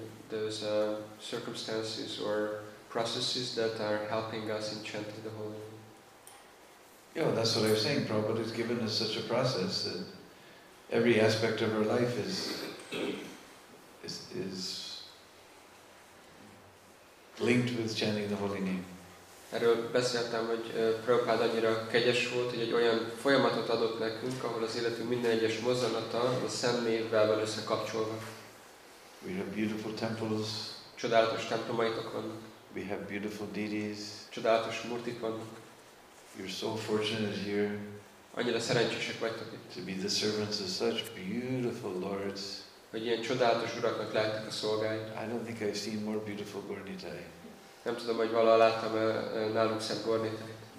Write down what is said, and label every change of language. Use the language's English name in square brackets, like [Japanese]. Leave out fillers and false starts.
[English] Those circumstances or processes that are helping us in chanting the Holy Name. Yeah, that's what I was saying. Prabhupada has given us such a process that every aspect of our life is linked with chanting the Holy Name. [Hungarian] Erről beszéltem, hogy Prabhupád annyira kegyes volt, hogy egy olyan folyamatot adott nekünk, ahol az életünk minden egyes mozzanata a Szent Névvel van összekapcsolva. [English] We have beautiful temples. [Hungarian] Csodálatos templomaitok vannak. [English] We have beautiful deities. [Hungarian] Csodálatos murtik vannak. [English] You're so fortunate here. [Hungarian] Annyira szerencsések vagytok itt. [English] To be the servants of such beautiful lords. [Hungarian] Hogy ilyen csodálatos uraknak lehetek a szolgái. [English] I don't think I've seen more beautiful Gornitai. [Hungarian] Nem tudom, hogy valaha láttam nálunk szebb Gornitait.